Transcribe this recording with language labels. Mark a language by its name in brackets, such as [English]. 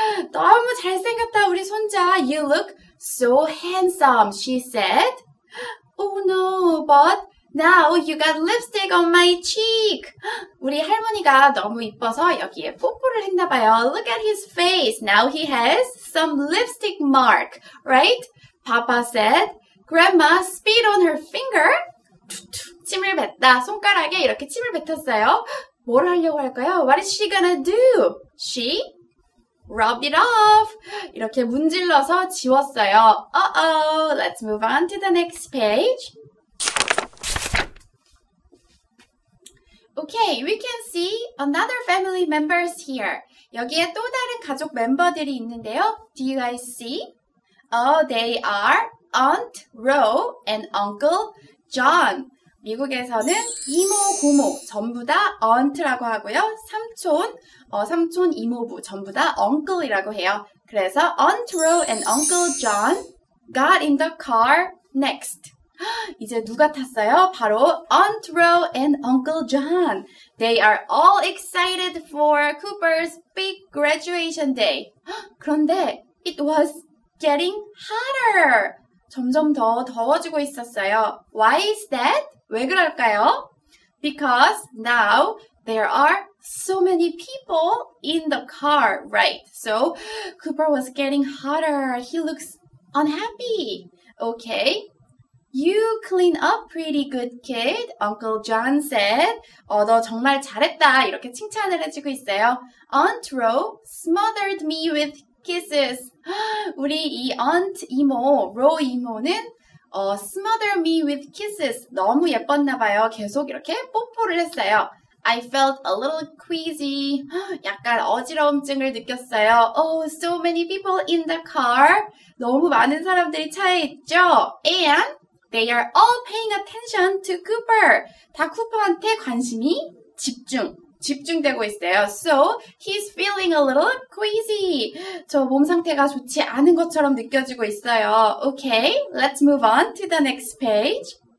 [Korean] 너무 잘생겼다, 우리 손자. [English] You look so handsome, she said. Oh no, but now you got lipstick on my cheek. [Korean] 우리 할머니가 너무 이뻐서 여기에 뽀뽀를 했나 봐요. [English] Look at his face. Now he has some lipstick mark, right? Papa said, Grandma spit on her finger. [Korean] 침을 뱉다. 손가락에 이렇게 침을 뱉었어요. 뭘 하려고 할까요? [English] What is she gonna do? She rubbed it off. [Korean] 이렇게 문질러서 지웠어요. [English] Uh-oh. Let's move on to the next page. Okay, we can see another family members here. [Korean] 여기에 또 다른 가족 멤버들이 있는데요. [English] Do you guys see? Oh, they are Aunt Ro and Uncle John. [Korean] 미국에서는 이모, 고모 전부 다 aunt라고 하고요. 삼촌, 삼촌, 이모부 전부 다 uncle이라고 해요. [English] 그래서 Aunt Ro and Uncle John got in the car next. [Korean] 이제 누가 탔어요? 바로 Aunt Ro and Uncle John. [English] They are all excited for Cooper's big graduation day. 그런데 it was getting hotter. [Korean] 점점 더 더워지고 있었어요. [English] Why is that? [Korean] 왜 그럴까요? [English] Because now there are so many people in the car, right? So Cooper was getting hotter. He looks unhappy. Okay. You clean up pretty good, kid. Uncle John said, [Korean] 너 정말 잘했다. 이렇게 칭찬을 해주고 있어요. [English] Aunt Ro smothered me with kisses. [Korean] 우리 이 aunt 이모, Ro 이모는 [English] smother me with kisses. [Korean] 너무 예뻤나 봐요. 계속 이렇게 뽀뽀를 했어요. [English] I felt a little queasy. [Korean] 약간 어지러움증을 느꼈어요. [English] Oh, so many people in the car. [Korean] 너무 많은 사람들이 차에 있죠. [English] And they are all paying attention to Cooper. [Korean] 다 쿠퍼한테 관심이 집중되고 있어요. [English] So, he's feeling a little queasy. [Korean] 저 몸 상태가 좋지 않은 것처럼 느껴지고 있어요. [English] Okay, let's move on to the next page.